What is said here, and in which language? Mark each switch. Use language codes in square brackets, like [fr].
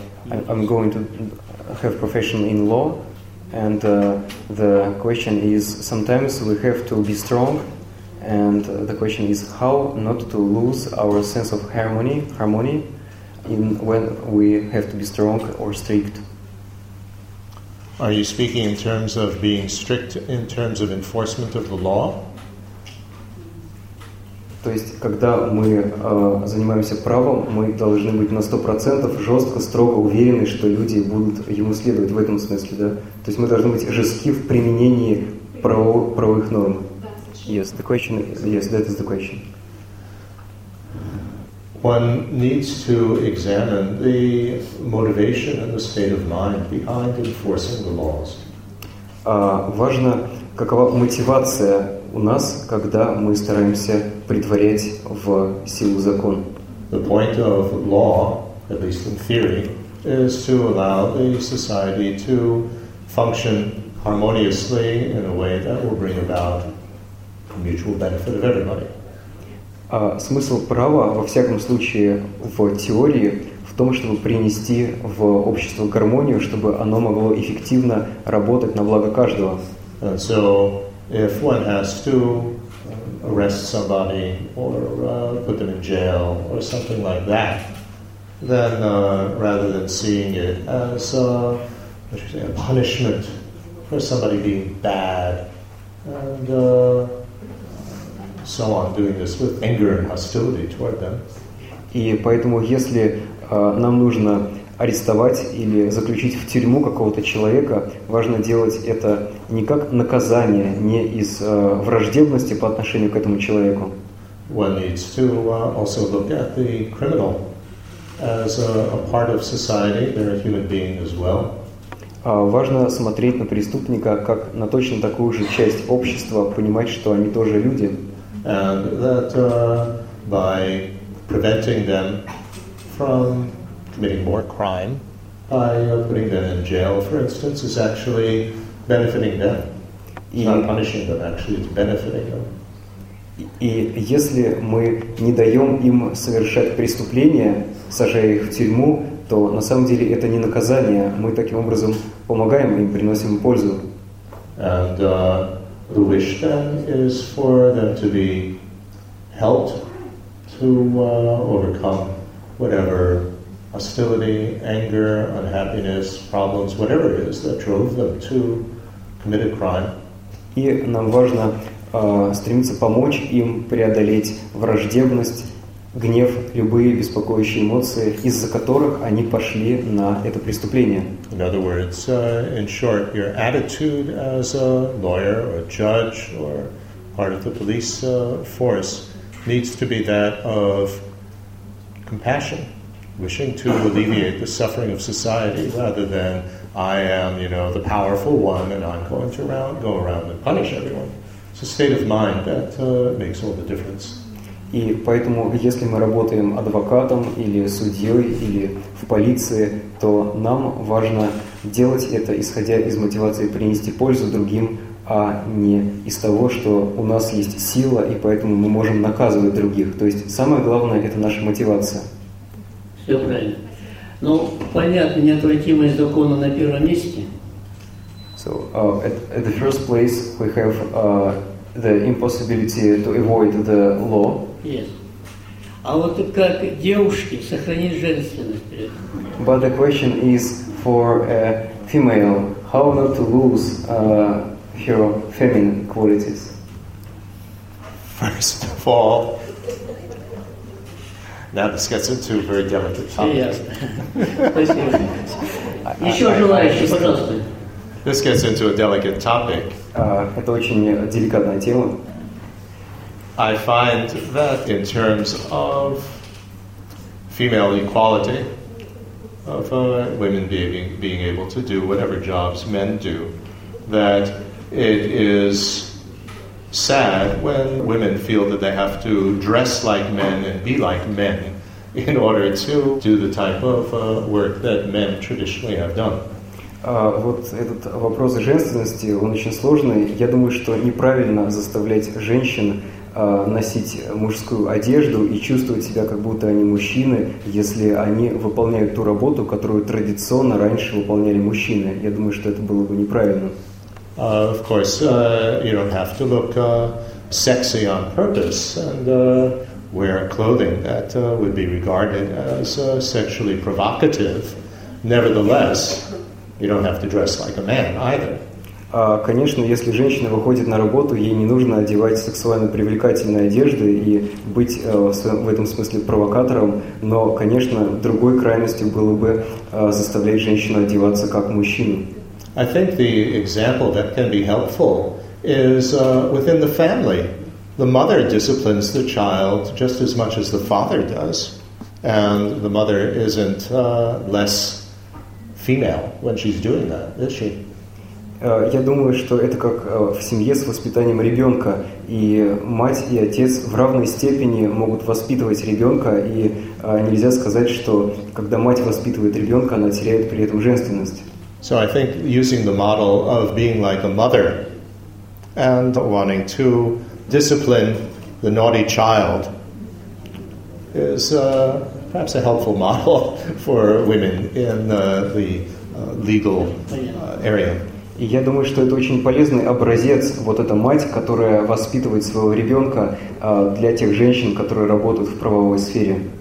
[en] I'm going to have profession in law, and the question is sometimes we have to be strong, and the question is how not to lose our sense of harmony in when we have to be strong or strict. Are you speaking in terms of being strict in terms of enforcement of the law? [ru] То есть, когда мы занимаемся правом, мы должны быть на 100% жестко, строго уверены, что люди будут ему следовать в этом смысле, да? То есть, мы должны быть жестки в применении правовых норм. [en] Yes, the question is, yes, that is the question. One needs to examine the motivation and the state of mind behind enforcing the laws. [ru] Важно, какова мотивация у нас, когда мы стараемся притворять в силу закон. [en] The point of law, at least in theory, is to allow the society to function harmoniously in a way that will bring about mutual benefit of everybody. [ru] Смысл права, во всяком случае, в теории, в том, чтобы принести в общество гармонию, чтобы оно могло эффективно работать на благо каждого. [en] And so, if one has to arrest somebody or put them in jail or something like that, then rather than seeing it as a punishment for somebody being bad and so on, doing this with anger and hostility toward them. [ru] И поэтому, если нам нужно арестовать или заключить в тюрьму какого-то человека, важно делать это не как наказание, не из враждебности по отношению к этому человеку. [en] One needs to also look at the criminal as a part of society, they're a human being as well. [ru] Важно смотреть на преступника как на точно такую же часть общества, понимать, что они тоже люди. [en] And that by preventing them from committing more crime by putting them in jail, for instance, is actually benefiting them. It's not punishing them, actually it's benefiting them. [ru] И если мы не даем им совершать преступления, сажая их в тюрьму, то на самом деле это не наказание. Мы таким образом помогаем им, приносим пользу. [en] And the wish then is for them to be helped to overcome whatever hostility, anger, unhappiness, problems, whatever it is that drove them to commit a crime. [ru] И нам важно стремиться помочь им преодолеть враждебность, гнев, любые беспокоящие эмоции, из-за которых они пошли на это преступление. [en] In other words, in short, your attitude as a lawyer or a judge or part of the police force needs to be that of compassion, wishing to alleviate the suffering of society rather than I am, you know, the powerful one and I'm going to go around and punish everyone. It's a state of mind that makes all the difference. [ru] И поэтому, если мы работаем адвокатом или судьей или в полиции, то нам важно делать это, исходя из мотивации принести пользу другим, а не из того, что у нас есть сила, и поэтому мы можем наказывать других. То есть самое главное – это наша мотивация. Все правильно. Ну, понятно, неотвратимость закона на первом месте. [en] So, at the first place, we have the impossibility to avoid the law. Yes. [ru] А вот как девушке сохранить женственность? [en] But the question is for a female, how not to lose her feminine qualities. First of all, now this gets into a very delicate topic. [ru] Еще желающие, пожалуйста. [en] This gets into a delicate topic. [ru] Это очень деликатная тема. [en] I find that in terms of female equality, of women being able to do whatever jobs men do, that it is sad when women feel that they have to dress like men and be like men in order to do the type of work that men traditionally have done. [ru] Вот этот вопрос женственности, он очень сложный. Я думаю, что неправильно заставлять женщин носить мужскую одежду и чувствовать себя, как будто они мужчины, если они выполняют ту работу, которую традиционно раньше выполняли мужчины. Я думаю, что это было бы неправильно. [en] Of course, you don't have to look sexy on purpose and wear clothing that would be regarded as sexually provocative. Nevertheless, you don't have to dress like a man either. [ru] Конечно, если женщина выходит на работу, ей не нужно одевать сексуально привлекательные одежды и быть в этом смысле провокатором, но, конечно, другой крайностью было бы заставлять женщину одеваться как мужчину. [en] I think the example that can be helpful is within the family. The mother disciplines the child just as much as the father does, and the mother isn't less female when she's doing that, is she? [ru] Я думаю, что это как в семье с воспитанием ребенка. И мать и отец в равной степени могут воспитывать ребенка, и нельзя сказать, что когда мать воспитывает ребенка, она теряет при этом женственность. [en] So I think using the model of being like a mother and wanting to discipline the naughty child is perhaps a helpful model for women in the legal area. [ru] И я думаю, что это очень полезный образец, вот эта мать, которая воспитывает своего ребенка для тех женщин, которые работают в правовой сфере.